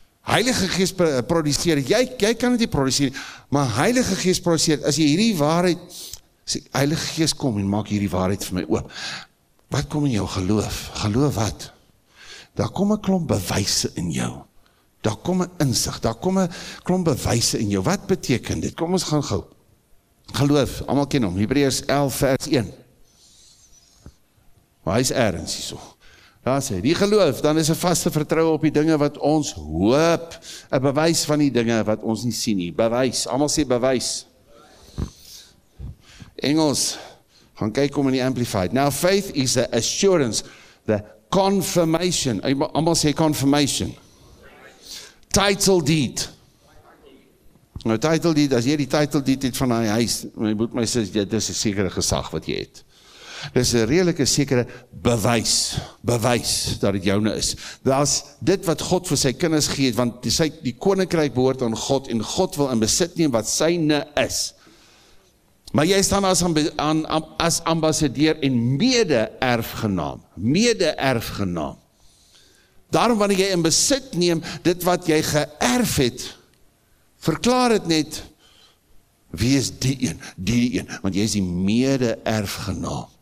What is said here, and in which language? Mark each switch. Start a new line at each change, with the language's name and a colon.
Afrikaans: Heilige Gees produseer, jy kan dit nie produseer, maar Heilige Gees produseer, as jy hierdie waarheid, sê, Heilige Gees kom en maak hierdie waarheid vir my oop. Wat kom in jou geloof? Geloof wat? Daar kom 'n klomp bewyse in jou. Daar kom een inzicht, daar kom een klomp bewyse in jou. Wat beteken dit? Kom ons gaan gou. Geloof, allemaal ken hom, Hebreërs 11 vers 1. Maar hy is ergens hier so. Daar sê, die geloof, dan is een vaste vertrouwe op die dinge wat ons hoop. Een bewys van die dinge wat ons nie sien nie. Bewys, allemaal sê bewys. Engels, gaan kyk om in die Amplified.
English: Now faith is the assurance, the confirmation.
Afrikaans: Allemaal sê confirmation. Title deed. Nou title deed, as jy die title deed het van die huis, my boek my sê, dit is een sekere gesag wat jy het. Dit is een redelike sekere bewys, dat het joune is. Dit is dit wat God vir sy kinders gee, want die koninkryk behoort aan God, en God wil in besit neem wat syne is. Maar jy staan as ambassadeur en mede-erfgenaam. Daarom wanneer jy in besit neem, dit wat jy geërf het, verklaar het net, wie is die een, want jy is die mede-erfgenaam.